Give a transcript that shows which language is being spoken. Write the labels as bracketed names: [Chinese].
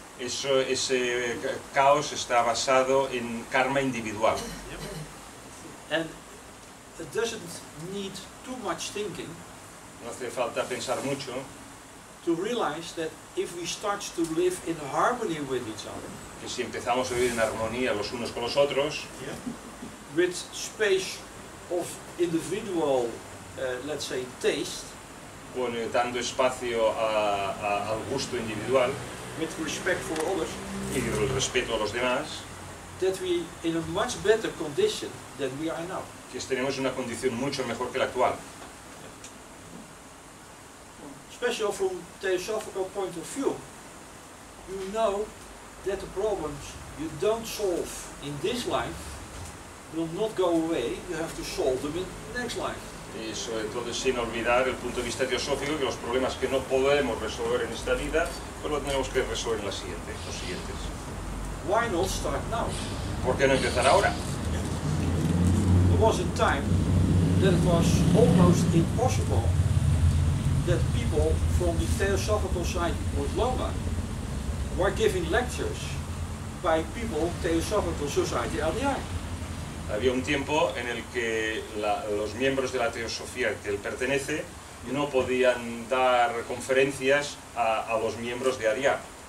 [Spanish] Ese caos está basado en karma individual. [English] Yeah. And it doesn't need too much thinking. [Spanish] No hace falta pensar mucho. [English] To realize that if we start to live in harmony with each other. [Spanish] Que si empezamos a vivir en armonía los unos con los otros, [English] yeah, with space of individual, let's say, taste, [Spanish] con dando espacio al gusto individual, [English] with respect for others, [Spanish] y el respeto a los demás, [English] that we in a much better condition than we are now. [Spanish] Que tenemos una condición mucho mejor que la actual. [English] Especially from theosophical point of view, you know that the problems you don't solve in this life will not go away. You have to solve them in the next life. [Spanish] Y sobre todo sin olvidar el punto de vista teosófico que los problemas que no podemos resolver en esta vida pues los tenemos que resolver en la siguiente, los siguientes. [English] Why not start now? [Spanish] ¿Por qué no empezar ahora? [English] There was a time that it was almost impossible that people from the theosophical side of Loma were giving lectures by people theosophical society LDI. [Spanish] Había un tiempo en el que los miembros de la teosofía que él pertenece no podían dar conferencias a los miembros de ADIA.